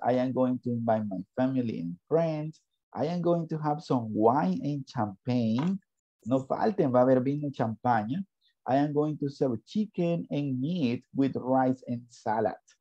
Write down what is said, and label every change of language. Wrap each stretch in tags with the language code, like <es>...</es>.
<en>I am going to invite my family and friends. I am going to have some wine and champagne.</en> <es>No falten, va a haber vino y champaña.</es> <en>I am going to serve chicken and meat with rice and salad.</en>